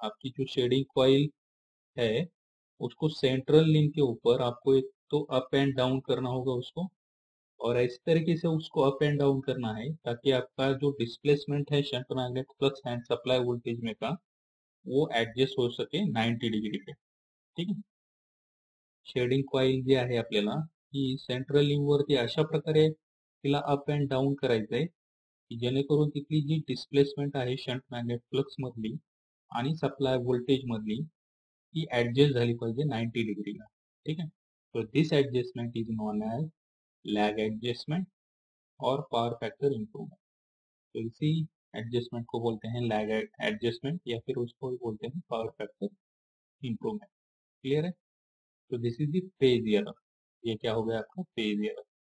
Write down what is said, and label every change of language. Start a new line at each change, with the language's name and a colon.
Hindi: आपकी जो shading coil है उसको सेंट्रल लिंब के ऊपर आपको एक तो अप एंड डाउन करना होगा उसको, और इस तरीके से उसको अप एंड डाउन करना है ताकि आपका जो डिस्प्लेसमेंट है shunt magnet flux and supply voltage में का वो एडजस्ट हो सके 90 डिग्री पे, ठीक है।
Marathi: शेडिंग कॉइल जी है अपने सेंट्रल लिंब वरती अशा प्रकार तिला अप अँड डाऊन करायचं आहे की जेणेकरून तिथली जी डिस्प्लेसमेंट आहे शंट मॅग्नेट फ्लक्स मधली आणि सप्लाय व्होल्टेज मधली ये एडजस्ट झाली पाहिजे 90 डिग्रीला, ठीक आहे.
English: तो this adjustment is known as lag adjustment और power factor improvement.
Hindi: तो इसी ॲडजस्टमेंट को बोलते हैं लॅग ॲडजस्टमेंट, या फिर उसको भी बोलते हैं पॉवर फॅक्टर इम्प्रूवमेंट. क्लियर है.
English: तो this is the phase error.
Hindi: ये क्या हो गया आपका, फेज एरर.